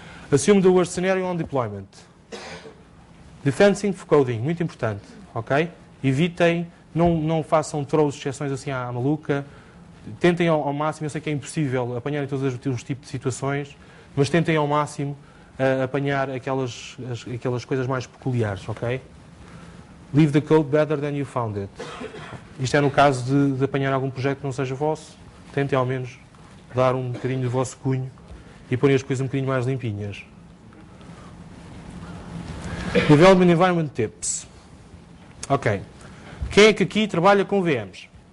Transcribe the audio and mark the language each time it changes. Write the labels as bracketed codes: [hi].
[en] Assume the worst scenario on deployment. Defensive coding, [pt] muito importante, ok. Evitem, não façam throws, exceções assim à maluca. Tentem ao máximo, eu sei que é impossível apanharem todos os tipos de situações, mas tentem ao máximo apanhar aquelas coisas mais peculiares, ok? [en] Leave the code better than you found it. [pt] Isto é no caso de apanhar algum projeto que não seja vosso, tentem ao menos dar um bocadinho do vosso cunho e pôr as coisas um bocadinho mais limpinhas. [en] Development Environment Tips. [pt] Ok. Quem é que aqui trabalha com VMs?